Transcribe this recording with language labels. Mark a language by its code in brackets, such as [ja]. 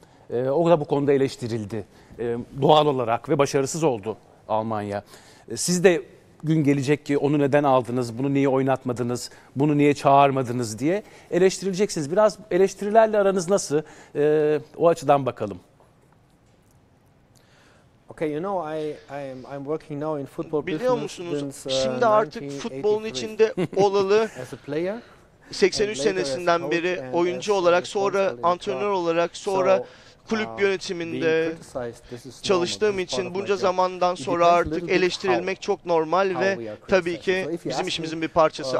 [tr] O da bu konuda eleştirildi doğal olarak ve başarısız oldu Almanya. Siz de gün gelecek ki onu neden aldınız, bunu niye oynatmadınız, bunu niye çağırmadınız diye eleştirileceksiniz. Biraz eleştirilerle aranız nasıl? O açıdan bakalım. [en] Okay, you know I'm working now in football. [tr] Biliyor musunuz? Şimdi artık futbolun içinde olalı. 83 senesinden beri oyuncu olarak, sonra antrenör olarak, sonra kulüp yönetiminde çalıştığım için bunca zamandan sonra artık eleştirilmek çok normal ve tabii ki bizim işimizin bir parçası.